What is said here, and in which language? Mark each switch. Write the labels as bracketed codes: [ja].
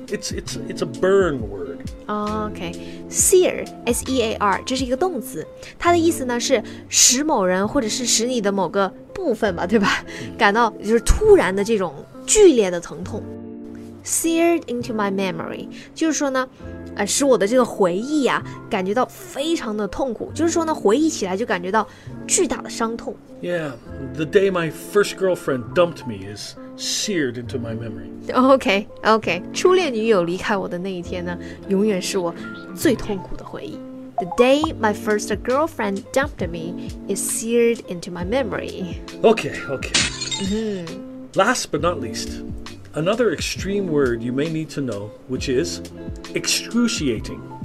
[en] It's a burn word. Oh, okay. [zh] Sear, S-E-A-R, 这是一个动词。它的意思呢是使某人或者是使你的某个部分吧，对吧？感到就是突然的这种剧烈的疼痛。 [en] Seared into my memory, [zh] 就是说呢使我的这个回忆啊感觉到非常的痛苦，就是说呢回忆起来就感觉到巨大的伤痛。 [en] Yeah, the day my first girlfriend dumped me is seared into my memory. [zh] Okay, 初恋女友离开我的那一天呢永远是我最痛苦的回忆。 [en] The day my first girlfriend dumped me is seared into my memory. Okay、mm-hmm. Last but not leastAnother extreme word you may need to know, which is excruciating.